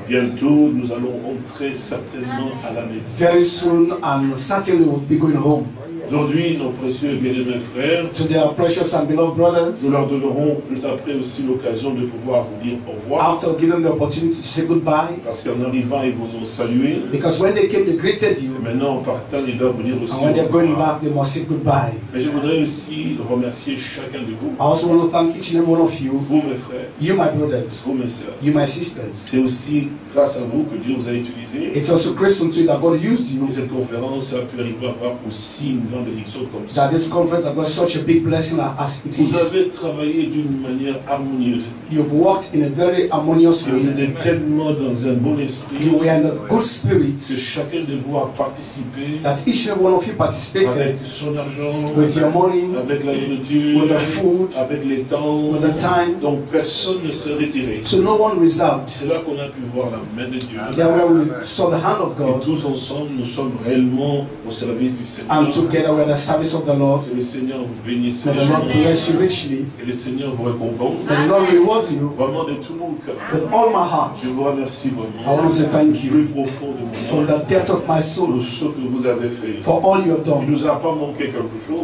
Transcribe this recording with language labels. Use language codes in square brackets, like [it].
[fr] Bientôt, nous allons entrer certainement à la maison. [en] Very soon and certainly we'll be going home. [fr] Aujourd'hui, nos précieux et bien-aimés frères, [en] today our precious and beloved brothers, [fr] nous leur donnerons juste après aussi l'occasion de pouvoir vous dire au revoir. [en] After giving them the opportunity to say goodbye, [fr] parce qu'en arrivant, ils vous ont salué. [en] Because when they came, they greeted you. [fr] Et maintenant, en partant, ils doivent vous dire aussi [en] and when they're going back, they must say goodbye. [fr] Mais je voudrais aussi remercier chacun de vous. [en] I also want to thank each and every one of you. [fr] Vous, mes frères. [en] You, my brothers. [fr] Vous, mes sœurs. [en] You, my sisters. [fr] C'est aussi grâce à vous que Dieu vous a utilisé. [en] It's also grace unto you that God used you. [fr] Et cette conférence a pu arriver à avoir aussi une grande bénédiction comme ça. [en] That this conference has got such a big blessing as it [fr] vous [en] is. [fr] Vous avez travaillé d'une manière harmonieuse. [en] You've worked in a very harmonious [fr] et [en] way. [fr] Vous êtes tellement dans un bon esprit. [en] You were in a good spirit. [fr] Que chacun de vous a participé. [en] That each and every one of you participated. [fr] Avec son argent. [en] With your money. [fr] Avec la nourriture. [en] With the food. [fr] Avec les temps. [en] With the time. [fr] Donc personne ne s'est retiré. [en] So no one reserved. [fr] C'est là qu'on a pu voir la main de Dieu. [en] There where we saw the hand of God. [fr] Et tous ensemble, nous sommes réellement au service du Seigneur. [en] And together we're in the service of the Lord. [fr] Que le Seigneur vous bénisse. [en] May the Lord bless you richly. [fr] Que le Seigneur vous récompense. [en] May the Lord reward you. [fr] Vraiment de tout mon cœur. [en] With all my heart. [fr] Je vous remercie vraiment. [en] I want to say thank you. [fr] Plus profond de mon cœur. [en] From the depth of my soul. [fr] Pour ce que vous avez fait. [en] For all you have done. [fr] Il nous a pas manqué quelque chose.